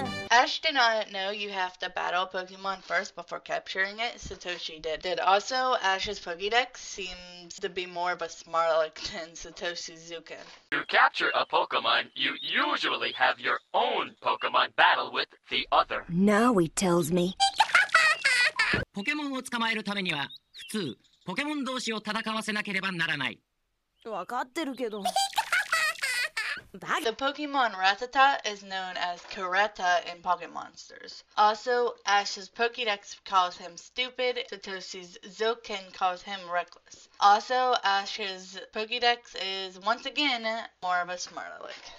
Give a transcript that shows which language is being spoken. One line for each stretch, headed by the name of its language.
English: Ash did not know you have to battle Pokemon first before capturing it. Satoshi did. Also, Ash's Pokedex seems to be more of a Smarlock than Satoshi's Zuken. To capture a Pokemon, you usually have your own Pokemon battle with the other. Now he tells me.
Japanese: Pokemon を捕まえるためには、普通、ポケモン同士を戦わせなければならない。わかってるけど。
English: The Pokemon Rattata is known as Kureta in Pocket Monsters. Also, Ash's Pokedex calls him stupid, Satoshi's Zouken calls him reckless. Also, Ash's Pokedex is, once again, more of a Smarlock.